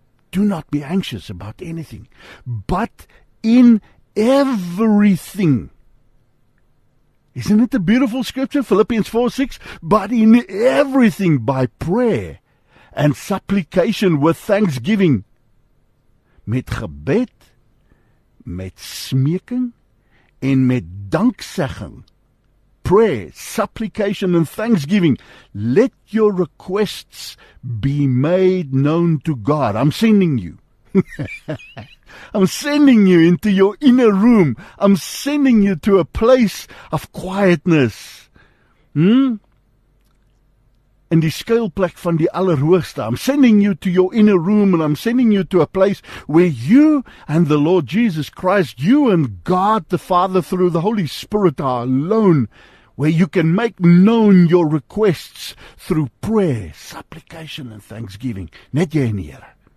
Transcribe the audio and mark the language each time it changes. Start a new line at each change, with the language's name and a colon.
English: Do not be anxious about anything. But in everything. Isn't it a beautiful scripture? Philippians 4, 6. But in everything by prayer and supplication with thanksgiving.
Afrikaans: Met gebed, met smeking, en met danksegging.
English: Prayer, supplication, and thanksgiving. Let your requests be made known to God. I'm sending you. I'm sending you into your inner room. I'm sending you to a place of quietness.
Afrikaans: In die skuilplek van die Allerhoogste.
English: I'm sending you to your inner room, and I'm sending you to a place where you and the Lord Jesus Christ, you and God the Father through the Holy Spirit are alone, where you can make known your requests through prayer, supplication, and thanksgiving.
Afrikaans: Net jy en Here.